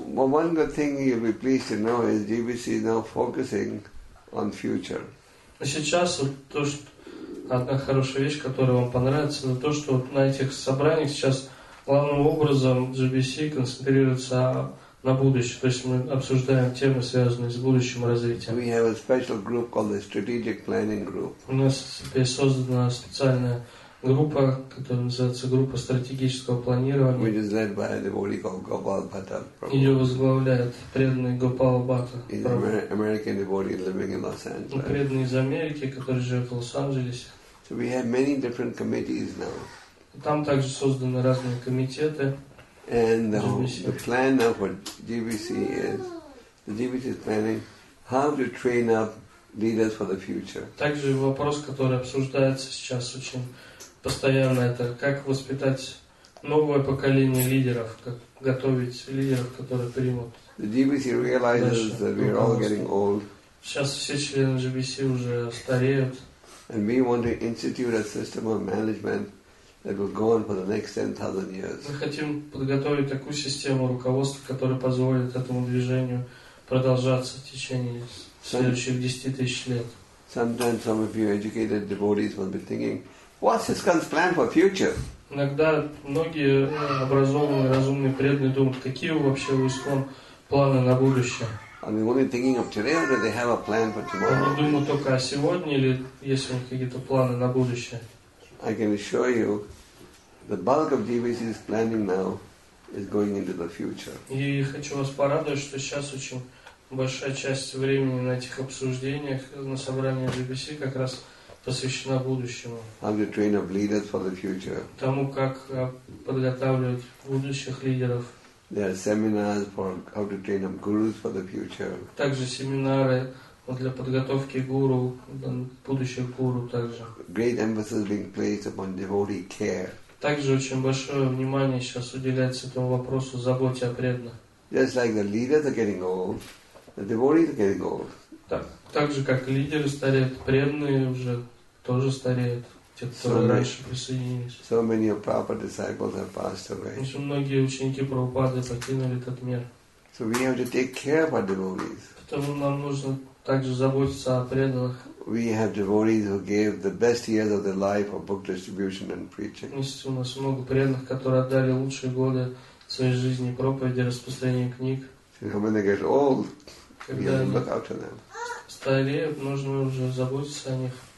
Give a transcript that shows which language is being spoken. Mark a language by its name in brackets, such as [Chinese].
[English] Well, one good thing you'll be pleased to know is GBC is now focusing on future. [Russian] Сейчас то, что одна хорошая вещь, которая вам понравится, это то, что вот на этих собраниях сейчас главным образом GBC концентрируется на будущем. То есть мы обсуждаем темы, связанные с будущим развитием. [English] We have a special group called the Strategic Planning Group. [Russian] У нас теперь создана специальная группа, которая называется группа стратегического планирования. [English] Which is led by a devotee called Gopal Bhatta. [Russian] Ее возглавляет преданный Гопал Бхатта. [English] He's an American devotee living in Los Angeles. [Russian] Преданный из Америки, который живет в Лос-Анджелесе. [English] So we have many different committees now. [Russian] Там также созданы разные комитеты. [English] And the plan now for GBC is the GBC is planning how to train up leaders for the future. [Russian] Также вопрос, который обсуждается сейчас очень постоянно, это как воспитать новое поколение лидеров, как готовить лидеров, которые примут. [English] The GBC realizes that we are all getting old. [Russian] Сейчас все члены GBC уже стареют. [English] And we want to institute a system of management that will go on for the next 10,000 years. [Russian] Мы хотим подготовить такую систему руководства, которая позволит этому движению продолжаться в течение следующих 10,000 лет. [English] Sometimes some of you educated devotees will be thinking, what's his current plan for future? [Russian] Иногда многие образованные, разумные, преданные думают, какие вообще у ИСКОН планы на будущее. [English] Are they only thinking of today, or do they have a plan for tomorrow? [Russian] Они думают только о сегодня или есть у них какие-то планы на будущее? [English] I can assure you, the bulk of GBC's planning now is going into the future. [Russian] И хочу вас порадовать, что сейчас очень большая часть времени на этих обсуждениях на собрании GBC как раз посвящена будущему. [English] How to train up leaders for the future. [Russian] Тому, как подготавливать будущих лидеров. [English] There are seminars for how to train up gurus for the future. [Russian] Также семинары для подготовки гуру, будущих гуру также. [English] Great emphasis being placed upon devotee care. [Russian] Также очень большое внимание сейчас уделяется этому вопросу заботе о преданных. [English] Just like the leaders are getting old, the devotees are getting old. [Russian] Так же, как лидеры стареют, преданные уже тоже стареют, те, которые раньше присоединились. [English] So many of Prabhupada's disciples have passed away. [Russian] Очень многие ученики Прабхупады покинули этот мир. [English] So we have to take care of our devotees. [Russian] Поэтому нам нужно также заботиться о преданных. [English] We have devotees who gave the best years of their life for book distribution and preaching. [Russian] Есть у нас много преданных, которые отдали лучшие годы своей жизни проповеди и распространению книг. [English] So when they get old, we have to look after them. [Russian] Стареют, нужно уже заботиться о них.